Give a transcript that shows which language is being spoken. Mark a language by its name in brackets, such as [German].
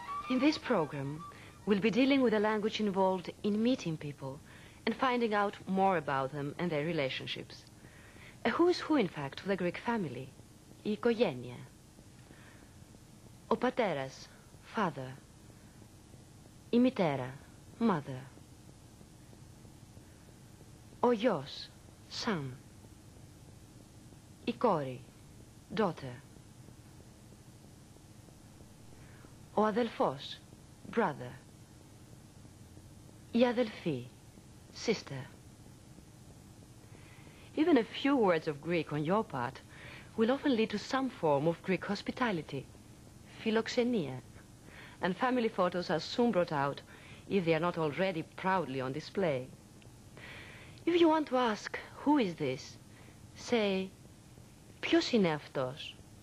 [English] In this program, we'll be dealing with the language involved in meeting people and finding out more about them and their relationships. A who is who, in fact, for the Greek family, [Greek] η οικογένεια. Ο πατέρας, father. Η μητέρα, mother. Ο γιος, son. Η κόρη, daughter. Ο αδελφός, brother. Η αδελφή, sister. [English] Even a few words of Greek on your part will often lead to some form of Greek hospitality, philoxenia, and family photos are soon brought out if they are not already proudly on display. If you want to ask, who is this, say, [Greek] ποιος είναι αυτός?